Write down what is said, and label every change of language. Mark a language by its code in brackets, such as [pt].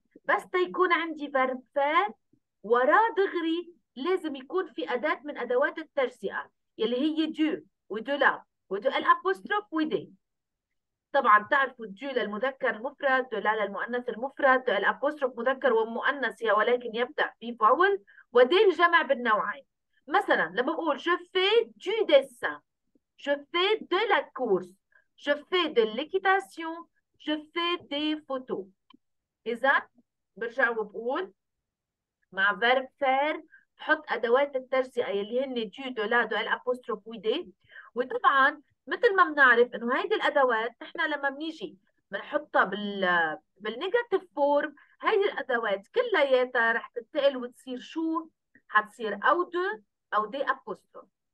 [ar] بس تيكون عندي فيرب فار وراه دغري لازم يكون في اداة من ادوات التجزئة يلي هي دو ودو لا ودو الابوستروف ودي. طبعا تعرفوا دو للمذكر المفرد، دو لا للمؤنث المفرد، دو الابوستروف مذكر ومؤنث هي ولكن يبدأ في فاول، ودي الجمع بالنوعين. مثلا لما بقول [fr] je fais du dessin, je fais de la course, je fais de l'équitation, je fais des photos. [ar] إذا برجع وبقول مع verb faire بحط أدوات التجزئة اللي هن du, de, la, de, الأبوستروف ودي. وطبعا مثل ما بنعرف إنه هيدي الأدوات إحنا لما بنيجي بنحطها بالنيجاتيف فورم، هيدي الأدوات كلياتها رح تتقل وتصير شو؟ حتصير أو دو أو دي أبوستروف.